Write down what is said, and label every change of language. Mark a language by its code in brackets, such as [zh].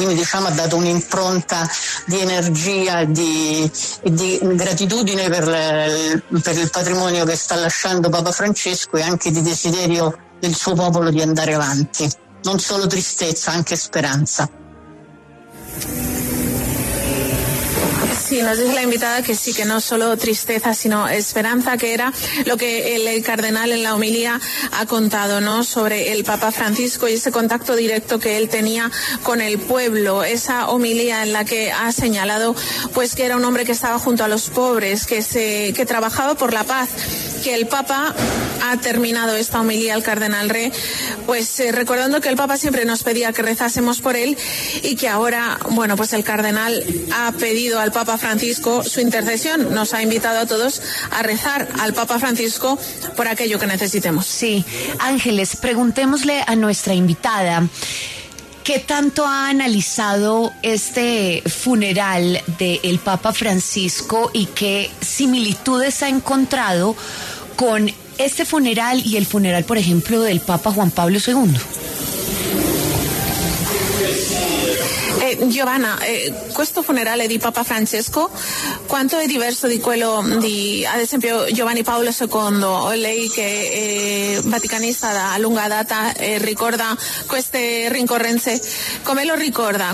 [it] Quindi diciamo ha dato un'impronta di energia e di gratitudine per il patrimonio che sta lasciando Papa Francesco, e anche di desiderio del suo popolo di andare avanti, non solo tristezza, anche speranza. [es] Sí, nos dice la invitada que sí, que no solo tristeza, sino esperanza, que era lo que el cardenal en la homilía ha contado, ¿no? Sobre el Papa Francisco y ese contacto directo que él tenía con el pueblo. Esa homilía en la que ha señalado, pues, que era un hombre que estaba junto a los pobres, que trabajaba por la paz. Que el Papa ha terminado esta homilía al cardenal Re, pues, recordando que el Papa siempre nos pedía que rezásemos por él y que ahora, bueno, pues el cardenal ha pedido al Papa Francisco su intercesión, nos ha invitado a todos a rezar al Papa Francisco por aquello que necesitemos. Sí, Ángeles, preguntémosle a nuestra invitada, ¿qué tanto ha analizado este funeral del Papa Francisco y qué similitudes ha encontrado con este funeral y el funeral, por ejemplo, del Papa Juan Pablo II? [it] Giovanna, questo funerale di Papa Francesco quanto è diverso di quello di ad esempio Giovanni Paolo II? Lei che è vaticanista da lunga data ricorda queste rincorrenze, come lo ricorda?